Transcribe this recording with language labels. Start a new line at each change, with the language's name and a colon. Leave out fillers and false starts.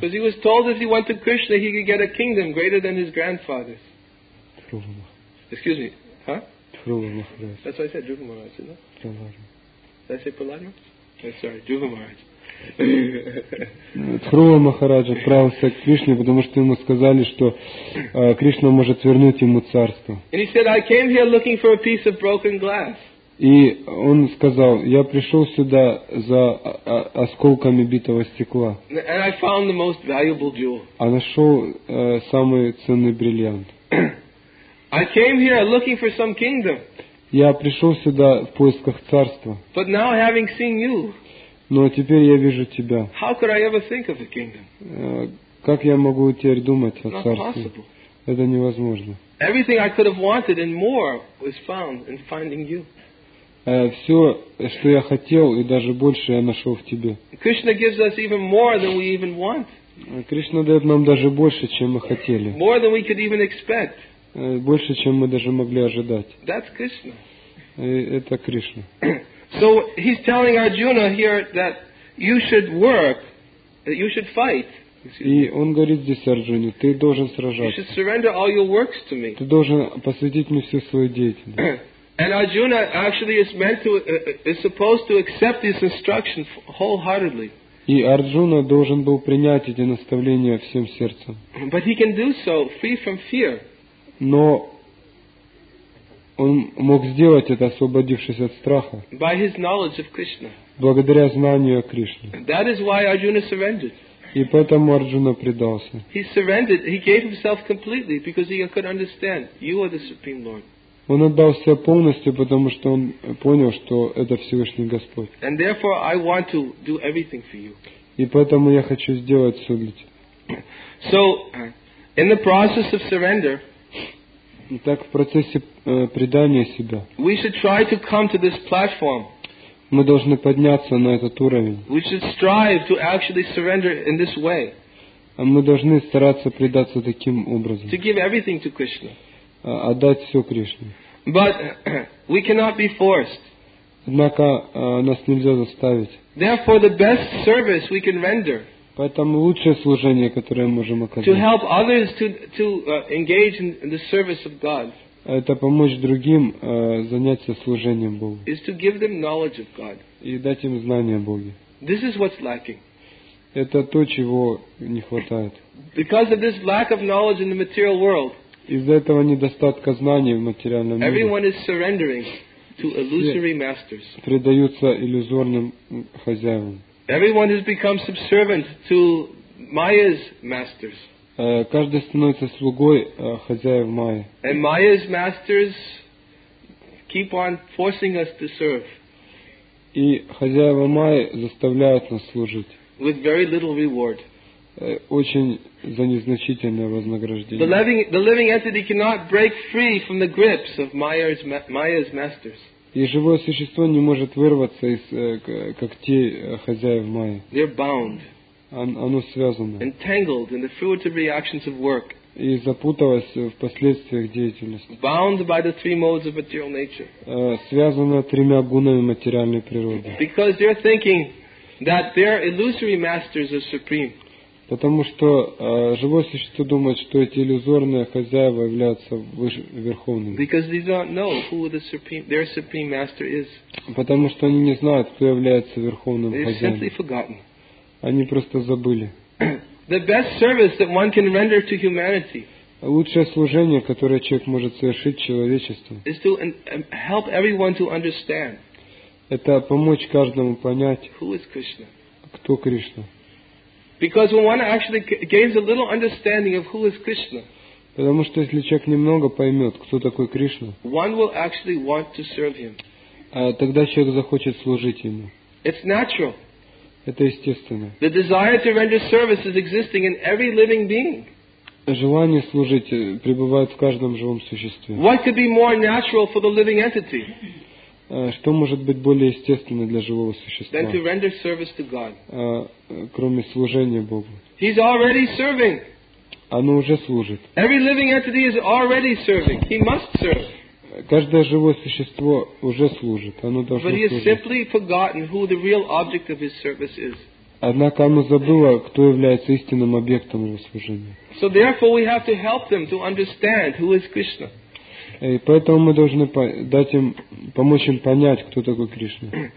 English: Because he was told if he went to Krishna, he could get a kingdom greater than his grandfather's. Excuse me, huh? That's what I said, Dhruva Maharaj, isn't it? Did I say Prahlad Maharaj? Oh, sorry, Dhruva Maharaj.
Russian: Дхрува Махарадж отправился к Кришне, потому что ему сказали, что Кришна может вернуть ему царство.
English: And he said, I came here looking for a piece of broken glass.
Russian: И он сказал, я пришел сюда за осколками битого стекла.
English: And I found the most valuable jewel.
Russian: А нашел самый ценный бриллиант.
English: I came here looking for some kingdom.
Russian: Я пришел сюда в поисках царства.
English: But now having seen you.
Russian: Но теперь я вижу тебя.
English: How could I ever think of a kingdom?
Russian: Как я могу теперь думать о царстве?
English: Not possible.
Russian: Это невозможно.
English: Everything I could have wanted and more was found in finding you.
Russian: Все, что я хотел и даже больше я нашел в тебе.
English: Krishna gives us even more than we even want.
Russian: Кришна дает нам даже больше, чем мы хотели.
English: More than we could even expect.
Russian: Больше, чем мы даже могли ожидать.
English: That's Krishna.
Russian: Это Кришна.
English: So he's telling Arjuna here that you should work, that you should fight.
Russian: И он говорит здесь Арджуне, ты должен сражаться.
English: You should surrender all your works to me.
Russian: Ты должен посвятить мне всю свою деятельность.
English: And Arjuna actually is meant to, is supposed to accept this instruction wholeheartedly.
Russian: И Арджуна должен был принять эти наставления всем сердцем.
English: But he can do so free from fear.
Russian: Но он мог сделать это, освободившись от страха.
English: By his knowledge of Krishna.
Russian: Благодаря знанию о Кришне.
English: That is why Arjuna surrendered.
Russian: И поэтому Арджуна предался.
English: He surrendered. He gave himself completely because he could understand you are the Supreme Lord.
Russian: Он отдал себя полностью, потому что он понял, что это Всевышний Господь.
English: And therefore I want to do everything for you.
Russian: И поэтому я хочу сделать все для тебя.
English: So, in the process of surrender,
Russian: итак, в процессе предания себя
English: we should try to come to this platform.
Russian: Мы должны подняться на этот уровень.
English: We should strive to actually surrender in this way.
Russian: Мы должны стараться предаться таким образом.
English: To give everything to Krishna.
Russian: Отдать все Кришне.
English: But we cannot be forced.
Russian: Однако нас нельзя заставить.
English: Therefore, the best service we can render.
Russian: Поэтому лучшее служение, которое мы можем оказать,
English: to help others to engage in the service of God,
Russian: это помочь другим заняться служением Богу,
English: is to give them knowledge of God.
Russian: И дать им знание о Боге.
English: This is what's lacking.
Russian: Это то, чего не хватает.
English: Because of this lack of knowledge in the material world,
Russian: из-за этого недостатка знаний в материальном мире,
English: everyone is surrendering to illusory masters.
Russian: Все предаются иллюзорным хозяевам.
English: Everyone has become subservient to Maya's masters.
Russian: Каждый становится слугой хозяев Майи.
English: And Maya's masters keep on forcing us to serve.
Russian: и хозяева Майи заставляют нас служить.
English: With very little reward.
Russian: Очень за незначительное вознаграждение.
English: The living entity cannot break free from the grips of Maya's masters.
Russian: И живое существо не может вырваться из когтей хозяев Майи.
English: They're bound.
Russian: Оно связано.
English: Entangled in the fruitive reactions of work.
Russian: И запуталась в последствиях деятельности.
English: Bound by the three modes of material nature.
Russian: Связана тремя гунами материальной природы.
English: Because they're thinking that their illusory masters are supreme.
Russian: Потому что живое существо думает, что эти иллюзорные хозяева являются верховными.
English: Because they don't know who their supreme master is.
Russian: Потому что они не знают, кто является верховным хозяином.
English: They've simply forgotten.
Russian: Они просто забыли.
English: The best service that one can render to humanity.
Russian: Лучшее служение, которое человек может совершить человечеству.
English: Is to help everyone to understand.
Russian: Это помочь каждому понять.
English: Who is Krishna?
Russian: Кто Кришна?
English: Because when one actually gains a little understanding of who is Krishna.
Russian: Потому что если человек немного поймет, кто такой Кришна.
English: One will actually want to serve him.
Russian: Тогда человек захочет служить ему.
English: It's natural.
Russian: Это естественно.
English: The desire to render service is existing in every living being.
Russian: Желание служить пребывает в каждом живом существе.
English: What could be more natural for the living entity?
Russian: Что может быть более естественно для живого существа?
English: Than to render service to God.
Russian: Кроме служения Богу.
English: He's already serving.
Russian: Оно уже служит.
English: Every living entity is already serving. He must serve.
Russian: Каждое живое существо уже служит. Оно должно служить.
English: But he has simply forgotten who the real object of his service is.
Russian: Однако оно забыло, кто является истинным объектом его служения.
English: So therefore we have to help them to understand who is Krishna.
Russian: И поэтому мы должны помочь им понять, кто такой Кришна.